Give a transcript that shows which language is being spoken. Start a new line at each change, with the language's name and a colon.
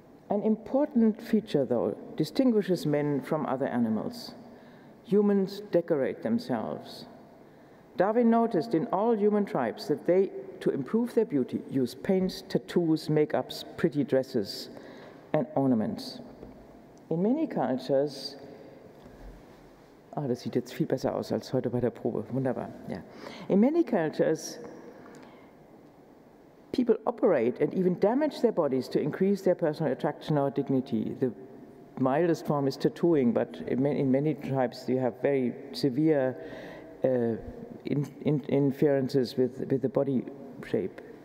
English: An important feature, though, distinguishes men from other animals. Humans decorate themselves. Darwin noticed in all human tribes that they, to improve their beauty, use paints, tattoos, makeups, pretty dresses, and ornaments. In many cultures,
German: das sieht jetzt viel besser aus als heute bei der Probe. Wunderbar.
English: Yeah. In many cultures, people operate and even damage their bodies to increase their personal attraction or dignity. The mildest form is tattooing, but in many tribes you have very severe interferences with the body shape.